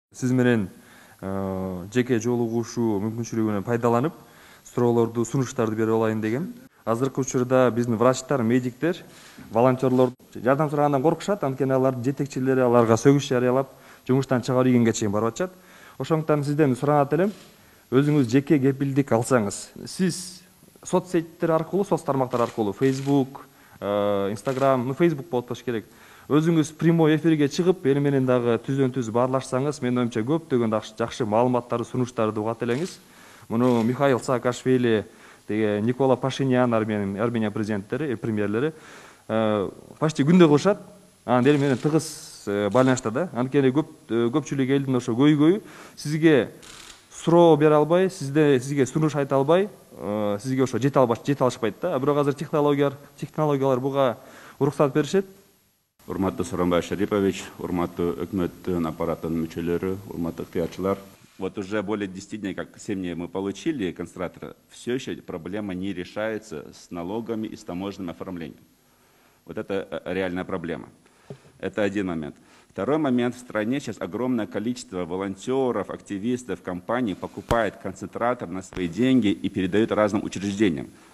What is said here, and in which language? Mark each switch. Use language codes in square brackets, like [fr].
[ky] Сиз менен жеке жолугушуу мүмкүнчүлүгүн пайдаланып, суроолорду, сунуштарды бере алайын дегем. Азыркы учурда биздин врачтар, медиктер, волонтерлор жардам сурагандан коркушат, анткени алар жетекчилери аларга сөгүш жарыялап, жумуштан чыгаруу үйүнгө чейин барып атышат. Ошондуктан сизден суранат элем, өзүңүз жеке кепилдик алсаңыз. Сиз соцсеттер аркылуу, соц тармактар аркылуу, Facebook, Instagram, Facebook болуш керек. Өзүңүз прямой эфирге чыгып, эл менен дагы түздөн-түз баарлашсаңыз, менин оюмча көптөгөн жакшы маалыматтарды, сунуштарды угат элеңиз. Муну Михаил Саакашвили, Никола Пашинян, Армения президенттери, премьерлери почти күндө кылышат, анан эл менен тыгыз байланышта да. Анткени көпчүлүк элдин ошо көйгөйү сизге суроо бере албай, сизге сунуш айта албай, сизге ошо жете алышпайт да. Бирок азыр технологиялар буга уруксат беришет. Урматтуу Сооронбай Шарипович, урматтуу өкмөттүн аппаратынын мүчөлөрү, урматтуу ыктыярчылар. [ru] Вот уже более 10 дней, как 7 дней мы получили концентратор, все еще проблема не решается с налогами и с таможенным оформлением. Вот это реальная проблема. Это один момент. Второй момент. В стране сейчас огромное количество волонтеров, активистов, компаний покупает концентратор на свои деньги и передают разным учреждениям.